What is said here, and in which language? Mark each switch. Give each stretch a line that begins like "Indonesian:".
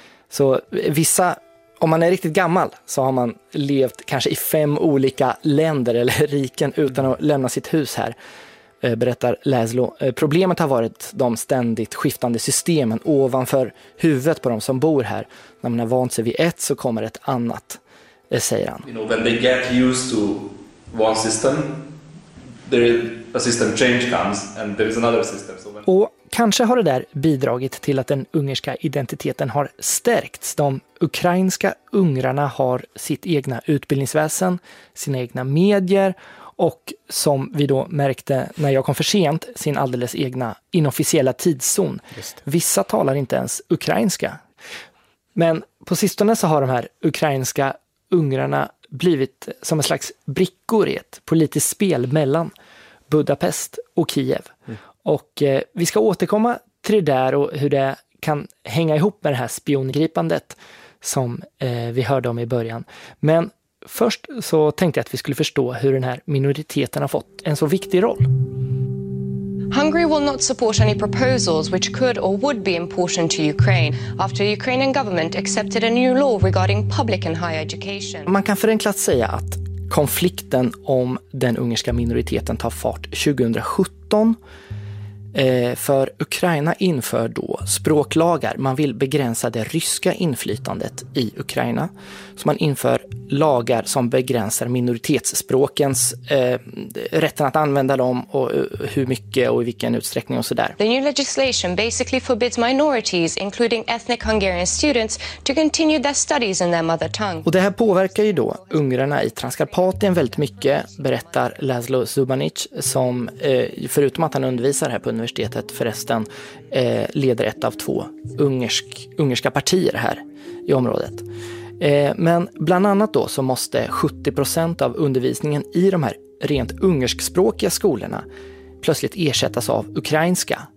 Swedish: Så vissa, om man är riktigt gammal så har man levt kanske i 5 olika länder eller riken utan att lämna sitt hus här, berättar Laszlo. Problemet har varit de ständigt skiftande systemen ovanför huvudet på de som bor här. När man har vant sig vid ett så kommer ett annat, säger han.
English: You know, when they get used to one system, there is a system change comes and there is another system. So when...
Swedish: Och kanske har det där bidragit till att den ungerska identiteten har stärkts. De ukrainska ungrarna har sitt egna utbildningsväsen, sina egna medier och som vi då märkte när jag kom för sent, sin alldeles egna inofficiella tidszon. Vissa talar inte ens ukrainska. Men på sistone så har de här ukrainska ungrarna blivit som en slags brickor i ett politiskt spel mellan Budapest och Kiev. Mm. Och vi ska återkomma till det där och hur det kan hänga ihop med det här spiongripandet som vi hörde om i början. Men först så tänkte jag att vi skulle förstå hur den här minoriteten har fått en så viktig roll.
English: Hungary will not support any proposals which could or would be important to Ukraine after Ukrainian government accepted a new law regarding public and higher education.
Swedish: Man kan förenklat säga att konflikten om den ungerska minoriteten tar fart 2017. För Ukraina inför då språklagar. Man vill begränsa det ryska inflytandet i Ukraina. Så man inför lagar som begränsar minoritetsspråkens rätten att använda dem och hur mycket och i vilken utsträckning och sådär.
English: The new legislation basically forbids minorities, including ethnic Hungarian students, to continue their studies in their mother tongue.
Swedish: Och det här påverkar ju då ungrarna i Transkarpatien väldigt mycket, berättar Laszlo Zubanić, som förutom att han undervisar här på universitetet förresten leder ett av två ungerska partier här i området. Men bland annat då så måste 70% av undervisningen i de här rent ungerskspråkiga skolorna plötsligt ersättas av ukrainska.